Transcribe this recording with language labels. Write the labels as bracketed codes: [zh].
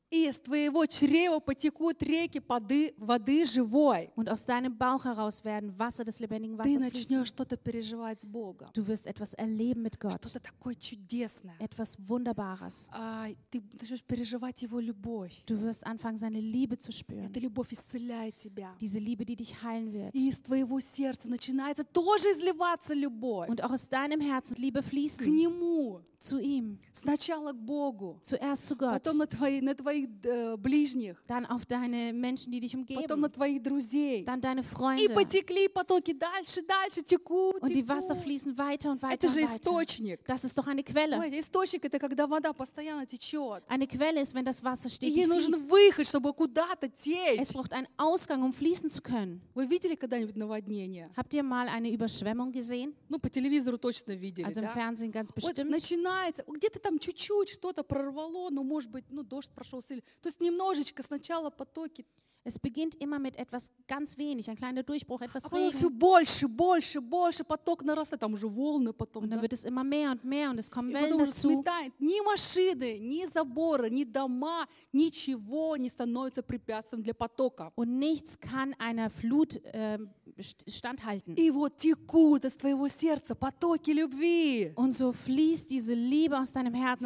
[ru] Из твоего чрева потекут реки воды живой. [de] Und aus deinem Bauch heraus werden Wasser des lebendigen Wassers fließen. [ru] Ты начнешь что-то переживать с Богом. [de] Du wirst etwas erleben mit Gott. [ru] Что-то такое чудесное. [de] Etwas Wunderbares. [ru] Ты начнешь переживать его любовь. [de] Du wirst anfangen, seine Liebe zu spüren. [ru] Эта любовь исцеляет тебя. [de] Diese Liebe, die dich heilen wird. [ru] Из твоего сердца начинается тоже изливаться любовь. [de] Und auch aus deinem Herzen Liebe fließen. [ru] К нему. [de] Zu ihm. [ru] Сначала к Богу. [de] Zuerst zu Gott. [ru] Потом на твоих ближних. [de] Dann auf deine Menschen, die dich umgeben. [ru] Потом на твоих друзей. [de] Dann deine Freunde. [ru] И потекли потоки дальше текут. [de] Und die Wasser fließen weiter und weiter. [ru] Это же источник. [de] Das ist doch eine Quelle. [ru] Ой, источник это когда вода постоянно течет. [de] Eine Quelle ist, wenn das Wasser stetig fließt. [ru] Ей нужен выход, чтобы куда-то течь. [de] Es braucht einen Ausgang, um fließen zu können. [ru] Вы видели когда-нибудь наводнение? [de] Habt ihr mal eine Überschwemmung gesehen? [ru] Ну, по телевизору точно видели, [de] also [ru] да? [de] Im Fernsehen ganz bestimmt. [ru] Вот, начинается, где-то там чуть-чуть что-то прорвало, но может быть, ну, дождь прошел сильно. То есть немножечко сначала потоки. [de] Es beginnt immer mit etwas ganz wenig, ein kleiner Durchbruch, etwas Regen. Aber [ru] все больше, поток нарастает, там уже волны потом. [de] Und dann wird es immer mehr und es kommen Wellen dazu. [ru] Ни машины, ни заборы, ни дома, ничего не становится препятствием для потока. [de] Und nichts kann einer Flut standhalten. [ru] И вот текут из твоего сердца потоки любви. [de] Und so fließt diese Liebe aus deinem Herzen